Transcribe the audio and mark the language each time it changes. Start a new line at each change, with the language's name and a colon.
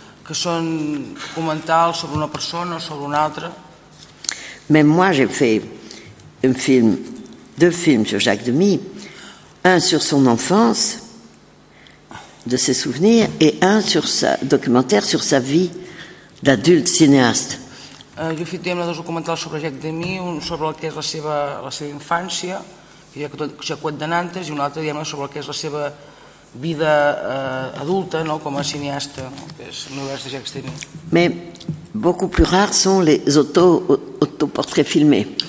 Catalan: Que són documentals sobre una persona o sobre una altra.
French: Même moi, j'ai fait un film, deux films sur Jacques Demy. Un sur son enfance, de ses souvenirs, et un sur sa documentaire sur sa vie d'adulte cinéaste.
Catalan: Jo he fet diem dos documentals sobre Jacques Demy, un sobre el que és la seva infància, que ja quan de Nantes, i un altre diem sobre el que és la seva vida adulta, no, com a cineasta, no, que és l'univers de Jacques Demy.
French: Mais beaucoup plus rares sont les autoportraits filmés.